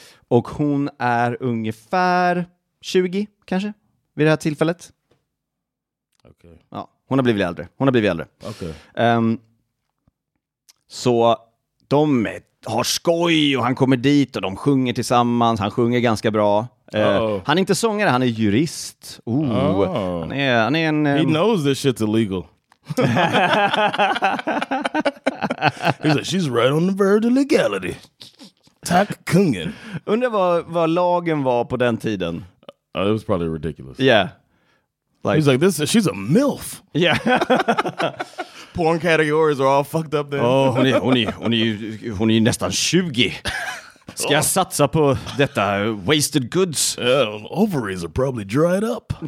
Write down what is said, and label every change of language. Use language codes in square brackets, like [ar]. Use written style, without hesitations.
[sv] Och hon är ungefär 20, kanske, vid det här tillfället. [en] Okay. [sv] Ja, hon har blivit äldre. Hon har blivit äldre. [en] Okay. [sv] Så de har skoj och han kommer dit och de sjunger tillsammans. Han sjunger ganska bra. Han är inte sångare, han är jurist. [en] He knows this shit's illegal. He's like, she's right on the verge of legality. [sv] Tack kungen. Undrar vad lagen var på den tiden. [en] It was probably ridiculous. Yeah. Like, he's like, this. She's a MILF. Yeah. Porn categories are all fucked up then. [sv] Oh, hon är nästan 20. Ska jag satsa på detta [en] wasted goods? Yeah, ovaries are probably dried up.